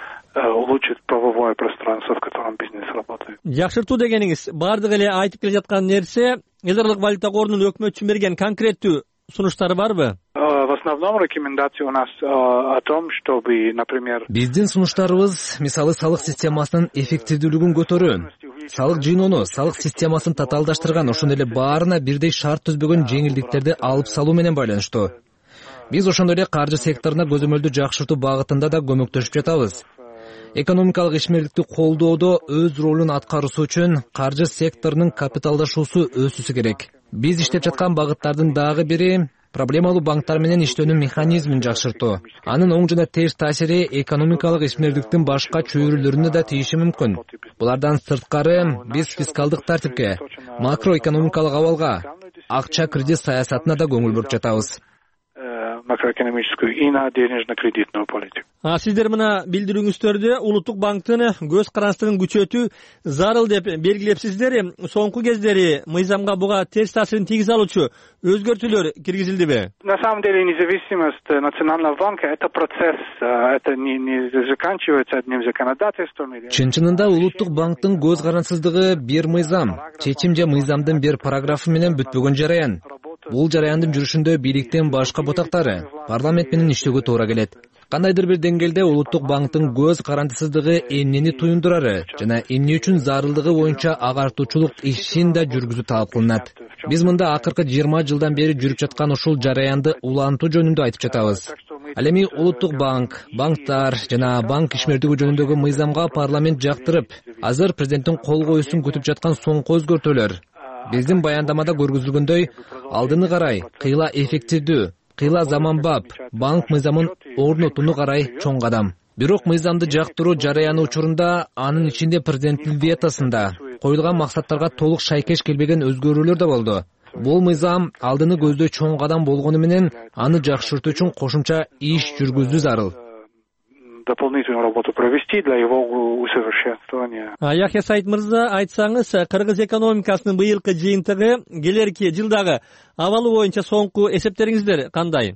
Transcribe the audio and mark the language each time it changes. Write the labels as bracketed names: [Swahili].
[Russian] Улучшить правовое пространство, в котором бизнес работает. [Kyrgyz] Жакшыртуу дегениңиз, бардык эле айтып келе жаткан нерсе Эзерлик валюта корунун өкмөтчү берген конкреттүү сунуштары барбы? [Russian] В основном рекомендации у нас о том, чтобы, например, [Kyrgyz] биздин сунуштарыбыз мисалы салык системасынын эффективдүүлүгүн көтөрүү, салык жыйноону, салык системасын татаалдаштырган, ошондой эле баарына бирдей шарт түзбөгөн жеңилдиктерди алып салуу менен байланыштуу. Биз ошондой эле каржы секторуна көзөмөлдү жакшыртуу багытында да көмөктөшүп жатабыз. Экономикалык ишмердикти колдоодо өз ролун аткаруусу үчүн каржы секторунун капиталдашуусу өсүсү керек. Биз иштеп жаткан багыттардын дагы бири проблемалуу банктар менен иштөөнүн механизмин жакшыртуу. Анын оң жана теж таасири экономикалык ишмердиктин башка чөйрөлөрүнө да тийиши мүмкүн. Булардан сырткары биз фискалдык тартипке, макроэкономикалык абалга, акча кредит саясатына да көңүл буруп жатабыз. [Russian] Макроэкономическую и на денежно-кредитную политику. [Kyrgyz] А сиздер мына билдирүүңүздөрдү улуттук банктын көз карастырын күчөтүү зарыл деп белгилепсиздер. Соңку кездери мыйзамга буга терс таасирин тийгизе алуучу өзгөртүүлөр киргизилдиби? [Russian] На самом деле независимость национального банка это процесс, это не заканчивается одним законодательством. [Kyrgyz] Чын чынында улуттук банктын көз карансыздыгы бир мыйзам, чечим же мыйзамдын бир параграфы менен бүтпөгөн жараян. Бул жараяндын жүрүшүндө бийликтен башка бутактары, парламент менен иштөөгө туура келет. Кандайдыр бир деңгээлде улуттук банктын көз карандысыздыгы эмнени туюндурары жана эмне үчүн зарылдыгы боюнча агартуучулук ишин да жүргүзүү талап кылынат. Биз мында акыркы 20 жылдан бери жүрүп жаткан ушул жараянды улантуу жөнүндө айтып жатабыз. Ал эми улуттук банк, банктар жана банк ишмердиги жөнүндөгү мыйзамга парламент жактырып, азыр президенттин кол коюусун күтүп жаткан соңку өзгөртүүлөр биздин баяндамада көргөзүлгөндөй алдыны карай, кыйла эффективдүү, кыйла заманбап банк мыйзамын орнотууну карай чоң кадам. Бирок мыйзамды жактыруу жараяны учурунда анын ичинде президенттин ветосунда коюлган максаттарга толук шайкеш келбеген өзгөрүүлөр да болду. Бул мыйзам алдыны көздөй чоң кадам болгону менен аны жакшыртуу үчүн кошумча иш жүргүзүү зарыл. [Russian] Дополнительную работу провести для его усовершенствования. [Kyrgyz] Яхья Саид Мырза, айтсаңыз, кыргыз экономикасынын быйылкы жыйынтыгы келерки жылдагы абалы боюнча соңку эсептериңиздер кандай?